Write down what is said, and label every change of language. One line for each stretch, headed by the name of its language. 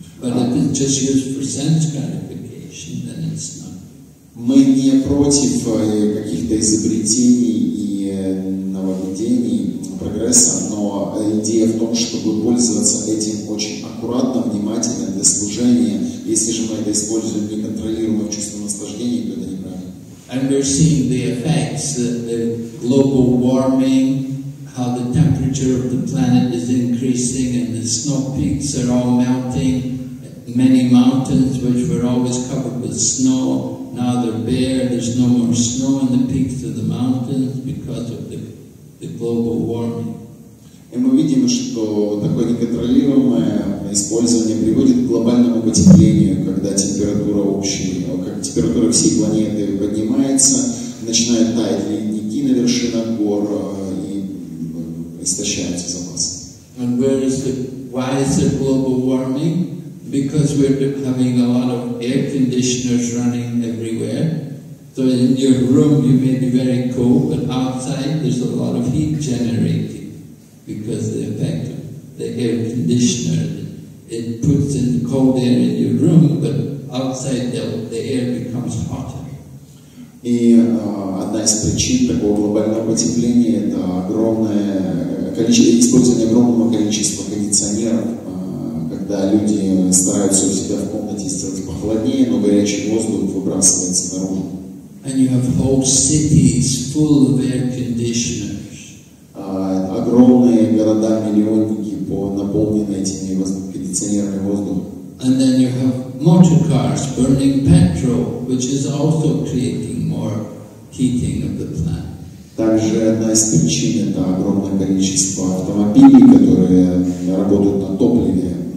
English: But if it's just used for sense gratification, then it's not.
Russian: Мы не против каких-то изобретений и нововведений, прогресса, но идея в том, чтобы пользоваться этим очень аккуратно, внимательно для служения. Если же мы это используем неконтролируемо в чувстве наслаждения, то это неправильно.
English: And we're seeing the effects, the global warming, how the temperature of the planet is increasing and the snow peaks are all melting. Many mountains which were always covered with snow, now they're bare, there's no more snow in the peaks of the mountains because of the global warming.
Russian: И мы видим, что такое неконтролируемое использование приводит к глобальному потеплению, когда температура общая, как температура всей планеты поднимается, начинают таять ледники на вершинах гор и истощаются запасы.
English: And where is it? Why is it global warming? Because we're having a lot of air conditioners running everywhere. So in your room you may be very cold, but outside there's a lot of heat generating because the effect of the air conditioner, it puts in cold air in your room, but outside the air becomes hotter.
Russian: И одна из причин такого глобального потепления — это использование огромного количества кондиционеров. Когда люди стараются у себя в комнате сделать похолоднее, но горячий воздух выбрасывается наружу.
English: And you have whole cities full of air conditioners.
Russian: Огромные города, миллионники наполнены этими кондиционерами воздуха.
English: And then you have motor cars burning petrol, which is also creating more heating of the planet.
Russian: Также одна из причин — это огромное количество автомобилей, которые работают на топливе.